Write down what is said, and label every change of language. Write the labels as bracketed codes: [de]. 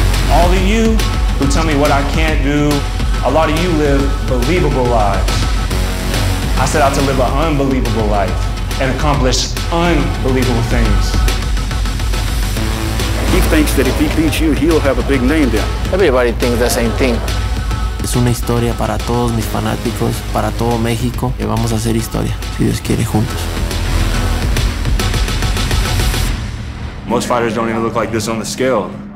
[en] All of you who tell me what I can't do, a lot of you live believable lives. I set out to live an unbelievable life and accomplish unbelievable things. He thinks that if he beats you, he'll have a big name then. Everybody thinks the same thing. [es] Es una historia para todos mis fanáticos, para todo México. Y vamos a hacer historia, si Dios quiere, juntos. [en] Most fighters don't even look like this on the scale.